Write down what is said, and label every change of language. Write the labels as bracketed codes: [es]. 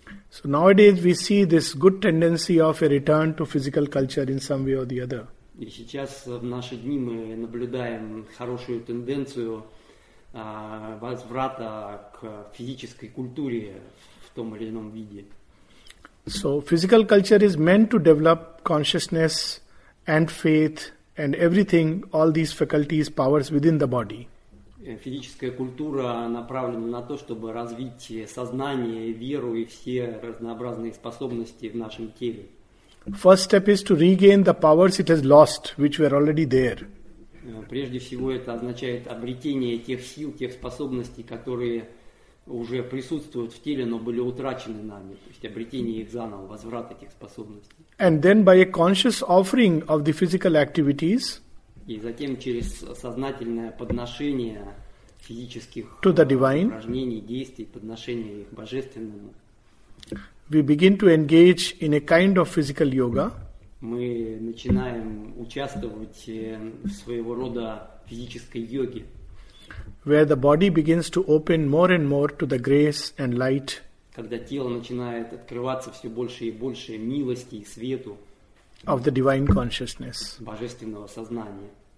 [en] So nowadays we see this good tendency of a return to physical culture in some way or the other. [ru] И сейчас в наши дни мы наблюдаем хорошую тенденцию возврата к физической культуре в том или ином виде. [en] So physical culture is meant to develop consciousness and faith and everything, all these faculties, powers within the body. [ru] Физическая культура направлена на то, чтобы развить сознание, веру и все разнообразные способности в нашем теле. [en] First step is to regain the powers it has lost, which were already there. [ru] Прежде всего это означает обретение тех сил, тех способностей, которые уже присутствуют в теле, но были утрачены нами, то есть обретение их заново, возврат этих способностей. [en] And then by a conscious offering of the physical activities. [ru] И затем через сознательное подношение физических [en] to the divine, [ru] упражнений, действий, подношение их божественному. [en] We begin to engage in a kind of physical yoga. [ru] Мы начинаем участвовать в своего рода физической йоге. [en] Where the body begins to open more and more to the grace and light. [ru] Когда тело начинает открываться все больше и больше милости и свету. [en] Of the divine consciousness. [ru] Божественного сознания.